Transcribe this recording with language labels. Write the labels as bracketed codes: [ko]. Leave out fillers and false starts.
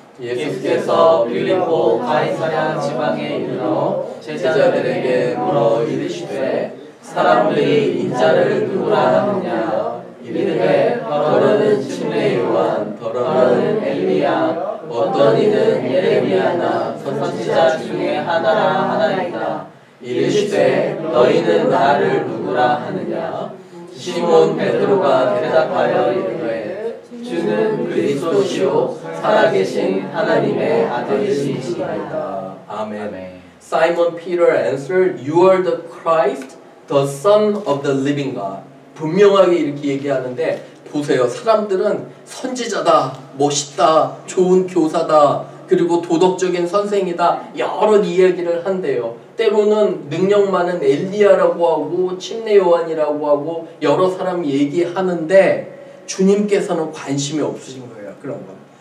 [ko] 예수께서 빌립보 가이사랴 지방에 이르러 제자들에게 물어 이르시되 사람들이 인자를 누구라 하느냐 이르되 더러는 침례의 요한 더러는 엘리야 어떤 이는 예레미야나 선지자 중에 하나라 하나이다 이르시되 너희는 나를 누구라 하느냐 시몬 베드로가 대답하여 이르되 주는 그리스도시오 살아계신 하나님의 아들이시니이다. 아멘. [en] Simon Peter answered, You are the Christ, the Son of the living God. [ko] 분명하게 이렇게 얘기하는데 보세요. 사람들은 선지자다, 멋있다, 좋은 교사다, 그리고 도덕적인 선생이다 여러 이야기를 한대요. 때로는 능력 많은 엘리야라고 하고 침례 요한이라고 하고 여러 사람 얘기하는데 주님께서는 관심이 없으신 거예요. 그런 건.